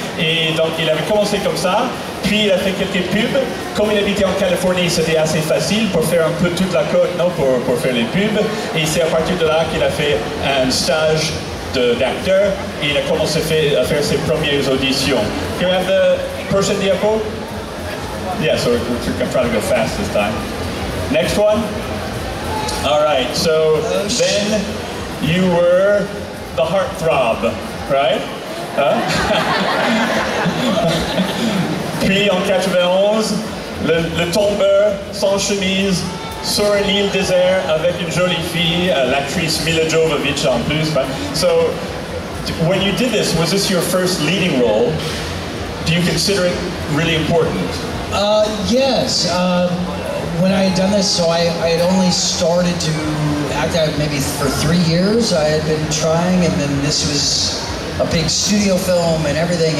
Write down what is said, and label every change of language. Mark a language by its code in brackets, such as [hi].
[fr] Et donc, il avait commencé comme ça. Puis il a fait quelques pubs. Comme il habitait en Californie, c'était assez facile pour faire un peu toute la côte, non, pour faire les pubs. Et c'est à partir de là qu'il a fait un stage d'acteur. Et il a commencé à faire ses premières auditions. [en] Can we have the [fr] prochaine diapo? [en] Yeah, so we're trying to go fast this time. Next one. All right, so then you were the heartthrob, right? [fr] Puis en 91, le tombeur sans chemise sur une île désert avec une jolie fille, l'actrice Mila Jovovich en plus. [en] Right? So, when you did this, was this your first leading role? Do you consider it really important? Yes. When I had done this, so I had only started to act out maybe for 3 years. I had been trying, and then this was a big studio film and everything.